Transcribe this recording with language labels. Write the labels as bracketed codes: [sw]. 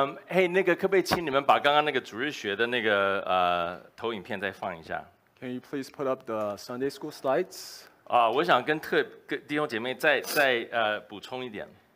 [en] Hey, [zh] 那个可不可以请你们把刚刚那个主日学的那个投影片再放一下 [en] ？Can you please put up the Sunday school slides？ [zh] 啊，我想跟特跟弟兄姐妹再补充一点。